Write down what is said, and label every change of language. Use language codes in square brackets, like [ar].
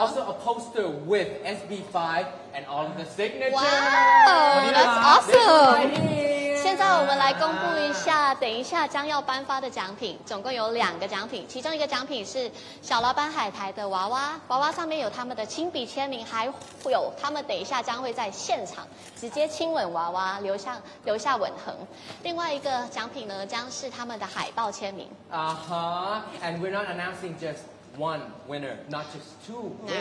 [en] Also a poster with SB5 and all of the signatures. Wow, that's awesome. [zh] 现在我们来公布一下，等一下将要颁发的奖品，总共有两个奖品，其中一个奖品是小老板海苔的娃娃，娃娃上面有他们的亲笔签名，还有他们等一下将会在现场直接亲吻娃娃，留下吻痕。另外一个奖品呢，将是他们的海报签名。 [en] And we're not announcing just one winner, not just two.